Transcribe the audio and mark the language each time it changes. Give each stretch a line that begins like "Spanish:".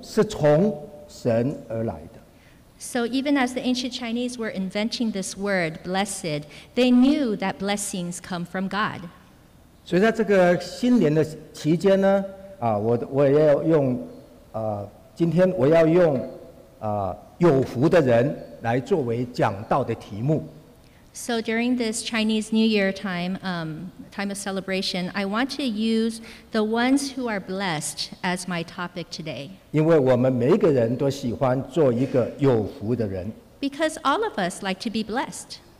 Chinese: 所以你看中国的古人，他在创造这个字的时候，他知道福是从神而来的。
English: So even as the ancient Chinese were inventing this word, blessed, they knew that blessings come from God.
Chinese: 所以在这个新年的期间呢，我要用今天我要用有福的人来作为讲道的题目。
English: So during this Chinese New Year time, time of celebration, I want to use the ones who are blessed as my topic today.
Chinese: 因为我们每一个人都喜欢做一个有福的人。
English: Because all of us like to be blessed.